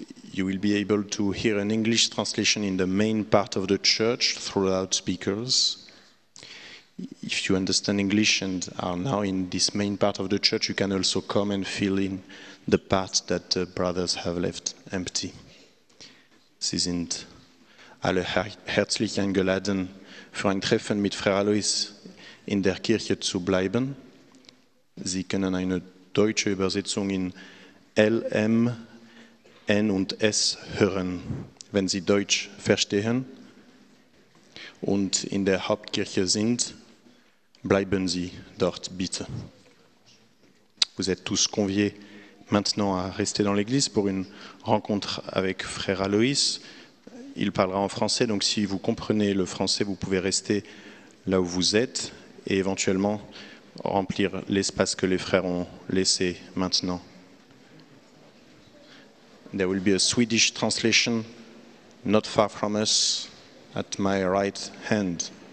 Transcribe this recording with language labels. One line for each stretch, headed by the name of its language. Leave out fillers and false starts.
English: You will be able to hear an English translation in the main part of the church throughout speakers. If you understand English and are now in this main part of the church, you can also come and fill in the part that the brothers have left empty.
German: Sie sind alle herzlich eingeladen, für ein Treffen mit Frère Alois in der Kirche zu bleiben. Sie können eine deutsche Übersetzung in L, M, N und S hören, wenn Sie Deutsch verstehen und in der Hauptkirche sind. Bleiben Sie dort, bitte.
French: Vous êtes tous conviés maintenant à rester dans l'église pour une rencontre avec Frère Alois. Il parlera en français, donc si vous comprenez le français, vous pouvez rester là où vous êtes et éventuellement remplir l'espace que les frères ont laissé maintenant.
English: There will be a Swedish translation not far from us at my right hand.